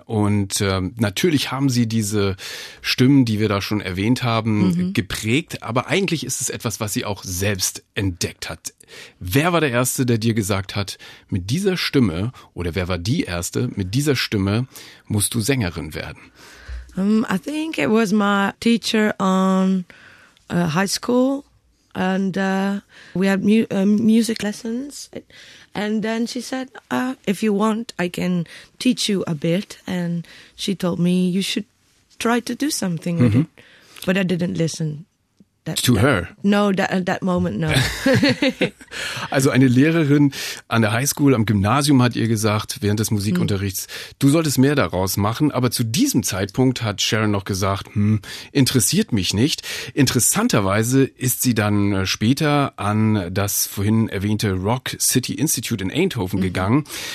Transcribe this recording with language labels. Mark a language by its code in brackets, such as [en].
[de] Und natürlich haben sie diese Stimmen, die wir da schon erwähnt haben, geprägt. Aber eigentlich ist es etwas, was sie auch selbst entdeckt hat. Wer war der Erste, der dir gesagt hat, mit dieser Stimme, oder wer war die Erste, mit dieser Stimme musst du Sängerin werden? [en] I think it was my teacher on high school, and we had music lessons, and then she said, if you want, I can teach you a bit, and she told me you should try to do something with it, but I didn't listen. At that moment, no. [de] Also eine Lehrerin an der Highschool, am Gymnasium hat ihr gesagt, während des Musikunterrichts, du solltest mehr daraus machen. Aber zu diesem Zeitpunkt hat Sharon noch gesagt, interessiert mich nicht. Interessanterweise ist sie dann später an das vorhin erwähnte Rock City Institute in Eindhoven gegangen.